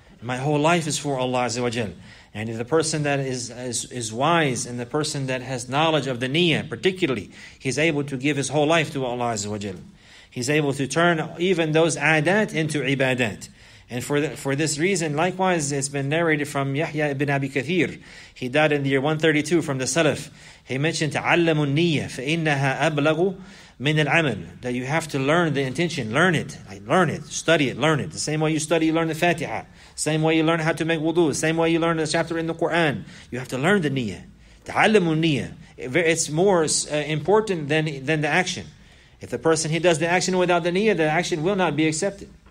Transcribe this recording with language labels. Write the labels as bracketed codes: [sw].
[en] My whole life is for Allah Azza wa Jal. And the person that is wise, and the person that has knowledge of the niyyah particularly, he's able to give his whole life to Allah Azza wa Jal. He's able to turn even those adat into ibadat. And for this reason, likewise, it's been narrated from Yahya ibn Abi Kathir. He died in the year 132 from the Salaf. He mentioned, [ar] تَعَلَّمُ النِّيَّةِ فَإِنَّهَا أَبْلَغُ مِنَ الْعَمَلِ. [en] That you have to learn the intention, learn it. Learn it, study it, learn it. The same way you study, you learn the Fatiha. Same way you learn how to make wudu. Same way you learn the chapter in the Qur'an. You have to learn the niyyah. [ar] تَعَلَّمُ النِّيَّةِ. [en] It's more important than the action. If the person, he does the action without the niyyah, the action will not be accepted.